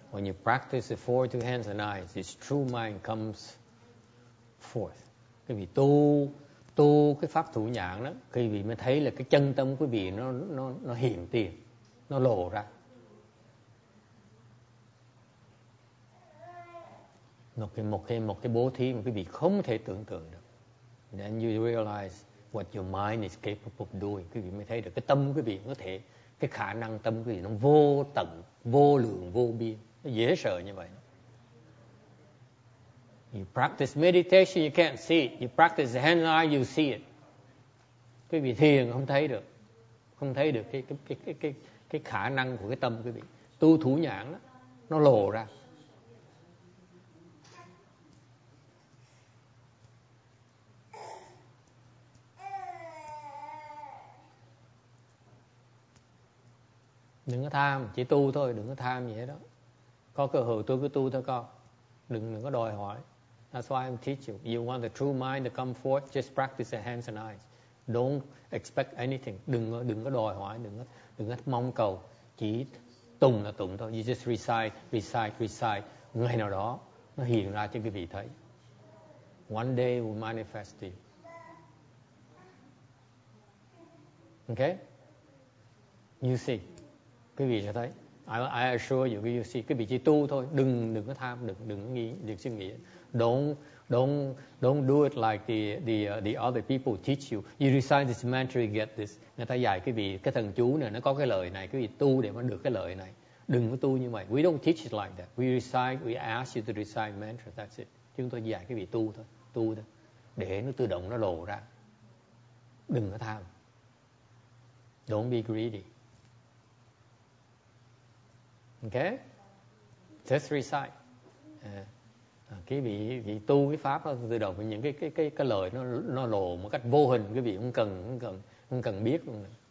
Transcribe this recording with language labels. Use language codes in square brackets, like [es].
[en] When you practice the four two hands and eyes, this true mind comes forth. [vi] Quý vị tu tu cái pháp thủ nhãn đó, quý vị mới thấy là cái chân tâm quý vị nó hiện tiền, nó lộ ra. Một cái bố thí mà quý vị không thể tưởng tượng được. [en] Then you realize what your mind is capable of doing. [vi] Quý vị mới thấy được cái tâm quý vị có thể, cái khả năng tâm quý vị nó vô tận, vô lượng, vô biên. Dễ sợ như vậy. [en] You practice meditation, you can't see it. You practice hand eye, you see it. [vi] Quý vị thiền không thấy được. không thấy được cái khả năng của cái tâm quý vị. Tu thủ nhãn đó, nó lộ ra. Đừng có tham, chỉ tu thôi, đừng có tham gì hết đó. Có cơ hội tôi cứ tu thôi con. Đừng có đòi hỏi. [en] That's why I'm teach you. You want the true mind to come forth, just practice the hands and eyes. Don't expect anything. [vi] Đừng có đòi hỏi, đừng có mong cầu. Chỉ tụng là tụng thôi. [en] You just recite. [vi] Ngày nào đó, nó hiện ra cho quý vị thấy. [en] One day will manifest to you. Okay? You see. [vi] Quý vị sẽ thấy. [en] I assure you, you see. [vi] Quý vị chỉ tu thôi. Đừng có tham, đừng nghĩ, đừng suy nghĩ. [en] Don't do it like the other people teach you. You recite this mantra, you get this. [vi] Người ta dạy quý vị cái thần chú này, nó có cái lợi này, quý vị tu để mà được cái lợi này. Đừng có tu như vậy. [en] We don't teach it like that. We recite, we ask you to recite mantra, that's it. [vi] Chúng tôi dạy quý vị tu thôi, tu thôi. Để nó tự động nó lộ ra. Đừng có tham. [en] Don't be greedy. Okay? Just recite. [vi] Quý vị tu cái pháp đó, từ đầu những cái lời nó lộ một cách vô hình, quý vị không cần biết luôn.